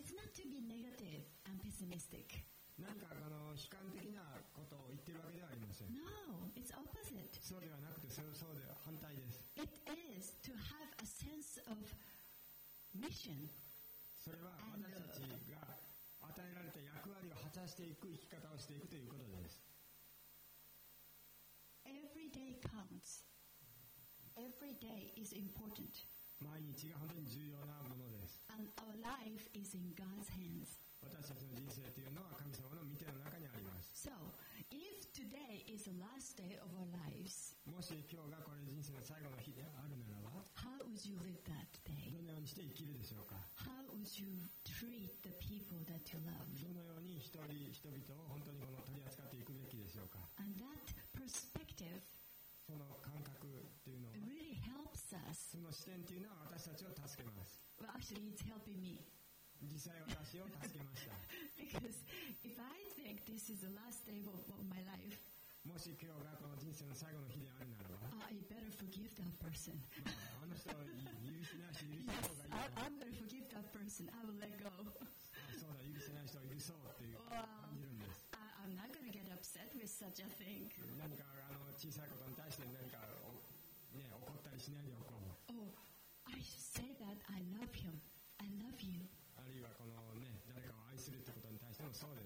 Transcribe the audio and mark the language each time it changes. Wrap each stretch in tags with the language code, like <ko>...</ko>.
<en>It's not to be negative and pessimistic.</en> <ja>何かあの悲観的なことを言っているわけではありません。</ja> <en>No, it's opposite.</en> <ja>そうではなくて、そうでは反対です。</ja> <en>It is to have a sense of mission.</en> <ja>それは私たちが与えられた役割を果たしていく生き方をしていくということです。</ja> <en>Every day counts. Every day is important.</en> <ja>毎日が本当に重要なものです。</ja> <en>And our life is in God's hands.</en> <ja>私たちの人生というのは神様の御手の中にあります。</ja> <en>So, if today is the last day of our lives,</en> <ja>もし今日がこれ人生の最後の日であるならば、</ja> <en>How would you live that day?</en> <ja>どのようにして生きるでしょうか。</ja> <en>How would you treat the people that you love?</en> <ja>どのように一人一人を本当にこの取り扱っていくべきでしょうか。</ja> <en>And that perspective,</en> <ja>その感覚というのは、</ja> <en>really helps us.</en> <ja>その視点というのは私たちを助けます。</ja> <en>Well, actually, it's helping me.</en> <ja>実際私を助けました。</ja> <en>Because if I think this is the last day of my life,</en> <ja>もし今日がこの人生の最後の日であるならば、</ja> <en>I better forgive that person.</en> <ja>あの人を許しなし許した方がいい。</ja> <en>Yes, I'm gonna forgive that person. I will let go.</en> <ja>そうだ、許せない人を許そうっていう感じるんです。</ja> <en>I'm not gonna get upset with such a thing.</en> <ja>何かあの小さいことに対して何かね怒ったりしないでおこう。</ja> <en>Oh, I should say that I love him. I love you.</en> <ja>あるいはこのね誰かを愛するってことに対してもそ</ja>